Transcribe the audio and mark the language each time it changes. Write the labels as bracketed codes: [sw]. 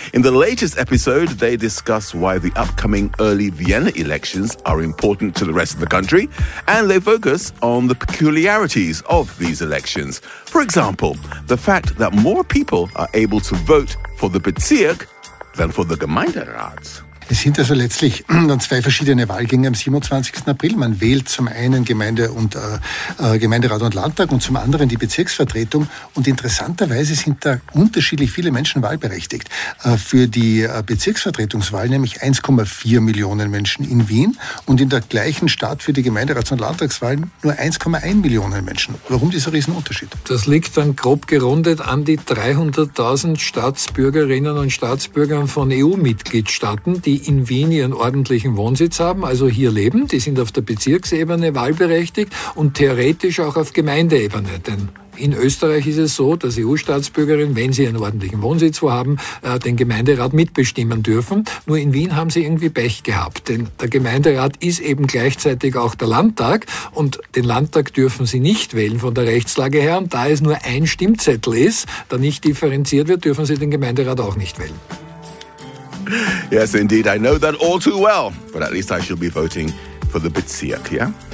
[en] In the latest episode, they discuss why the upcoming early Vienna elections are important to the rest of the country, and they focus on the peculiarities of these elections. For example, the fact that more people are able to vote for the Bezirk than for the Gemeinderat. [de] Es sind also letztlich dann zwei verschiedene Wahlgänge am 27. April. Man wählt zum einen Gemeinde und Gemeinderat und Landtag und zum anderen die Bezirksvertretung. Und interessanterweise sind da unterschiedlich viele Menschen wahlberechtigt. Für die Bezirksvertretungswahl nämlich 1,4 Millionen Menschen in Wien und in der gleichen Stadt für die Gemeinderats- und Landtagswahlen nur 1,1 Millionen Menschen. Warum dieser Riesenunterschied? Das liegt dann grob gerundet an die 300.000 Staatsbürgerinnen und Staatsbürgern von EU-Mitgliedstaaten, die in Wien ihren ordentlichen Wohnsitz haben, also hier leben. Die sind auf der Bezirksebene wahlberechtigt und theoretisch auch auf Gemeindeebene. Denn in Österreich ist es so, dass EU-Staatsbürgerinnen, wenn sie einen ordentlichen Wohnsitz haben, den Gemeinderat mitbestimmen dürfen. Nur in Wien haben sie irgendwie Pech gehabt, denn der Gemeinderat ist eben gleichzeitig auch der Landtag und den Landtag dürfen sie nicht wählen von der Rechtslage her. Und da es nur ein Stimmzettel ist, der nicht differenziert wird, dürfen sie den Gemeinderat auch nicht wählen. [en] Yes, indeed, I know that all too well, but at least I shall be voting for the Bezirk, yeah?